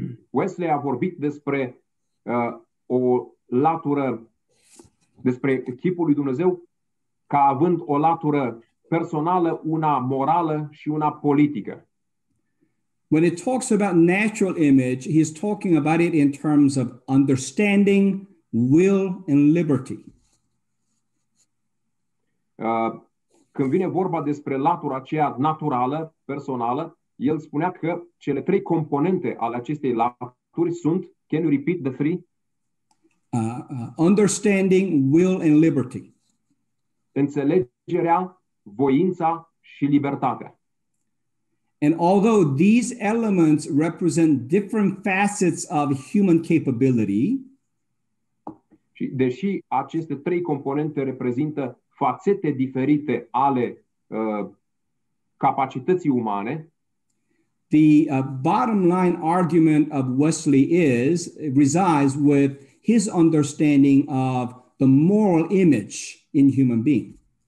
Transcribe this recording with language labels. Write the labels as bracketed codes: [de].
[ro] Wesley a vorbit despre o latură, despre chipul lui Dumnezeu ca având o latură personală, una morală și una politică. [en] When it talks about natural image, he's talking about it in terms of understanding, will, and liberty. [ro] Când vine vorba despre latura aceea naturală, personală, el spunea că cele trei componente ale acestei laturi sunt, [en] can you repeat the three? Understanding, will, and liberty. [ro] Înțelegerea, voința și libertatea. [en] And although these elements represent different facets of human capability, [ro] și deși aceste trei componente reprezintă fațete diferite ale capacității umane, [en] the bottom line argument of Wesley is it resides with his understanding of the moral image in human being.